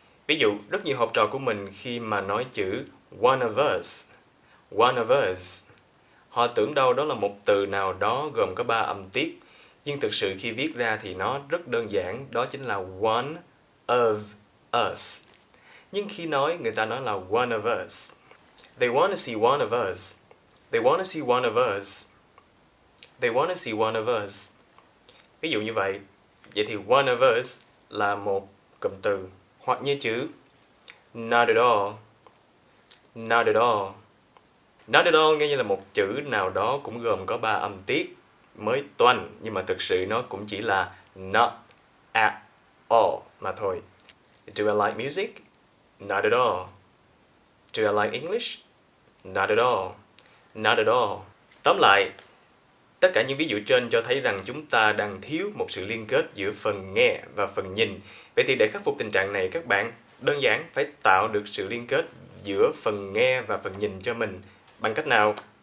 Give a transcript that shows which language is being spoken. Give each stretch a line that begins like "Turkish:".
Vietnamese: Ví dụ, rất nhiều học trò của mình khi mà nói chữ
English: one of us,
Vietnamese: họ tưởng đâu đó là một từ nào đó gồm có 3 âm tiết. Nhưng thực sự khi viết ra thì nó rất đơn giản, đó chính là
English: one of us.
Vietnamese: Nhưng khi nói, người ta nói là
English: one of us. They want to see one of us. They want to see one of us. They want to see one of us.
Vietnamese: Ví dụ như vậy, vậy thì
English: one of us
Vietnamese: là một cụm từ. Hoặc như chữ
English: not at all. Not at all. Not at all
Vietnamese: nghe như là một chữ nào đó cũng gồm có 3 âm tiết. Mới toanh, nhưng mà thực sự nó cũng chỉ là
English: not at all
Vietnamese: mà thôi.
English: Do I like music? Not at all. Do I like English? Not at all. Not at all.
Vietnamese: Tóm lại, tất cả những ví dụ trên cho thấy rằng chúng ta đang thiếu một sự liên kết giữa phần nghe và phần nhìn. Vậy thì để khắc phục tình trạng này, các bạn đơn giản phải tạo được sự liên kết giữa phần nghe và phần nhìn cho mình. Bằng cách nào?